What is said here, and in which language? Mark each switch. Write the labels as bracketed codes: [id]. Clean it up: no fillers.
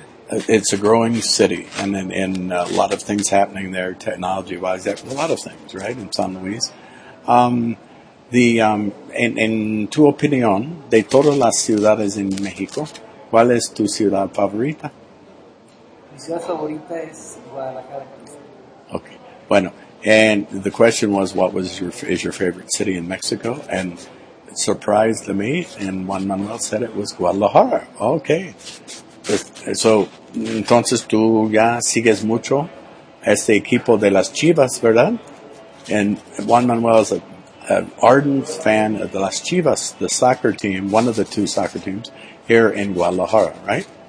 [en] It's a growing city, and then in a lot of things happening there, technology wise, a lot of things, right, in San Luis. [es] En tu opinión, de todas las ciudades en México, ¿cuál es tu ciudad favorita? Mi ciudad favorita es Guadalajara, Jalisco. [en] Okay, bueno, and the question was, what was your, is your favorite city in Mexico? And it surprised me, and Juan Manuel said it was Guadalajara. [es] Okay, so, entonces tú ya sigues mucho este equipo de las Chivas, ¿verdad? [en] And Juan Manuel is an ardent fan of the Las Chivas, the soccer team, one of the two soccer teams, here in Guadalajara, right?